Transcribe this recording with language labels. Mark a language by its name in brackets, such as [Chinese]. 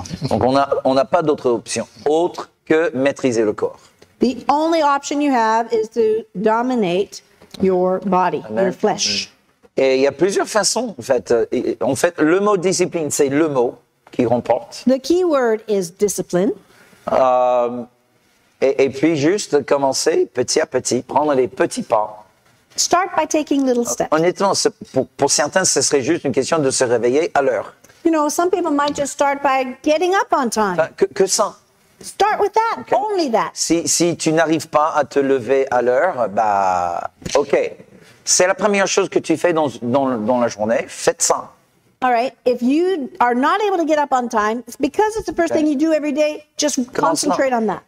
[French] Donc on a pas d'autre option autre que maîtriser le corps. [English] The only option you have is to dominate your body, your flesh. [French] Et il y a plusieurs façons en fait le mot discipline c'est le mot qui remporte. [English] The key word is discipline. [French] Et puis juste commencer petit à petit, prendre les petits pas. [English] Start by taking little steps. [French] Honnêtement, pour certains, ce serait juste une question de se réveiller à l'heure. [English] You know, some people might just start by getting up on time. [French] Enfin, que ça. [English] Start with that, okay. Only that. [French] Si tu n'arrives pas à te lever à l'heure, bah, ok. C'est la première chose que tu fais dans la journée, faites ça. [English] All right, if you are not able to get up on time, because it's the first thing you do every day, just concentrate on that.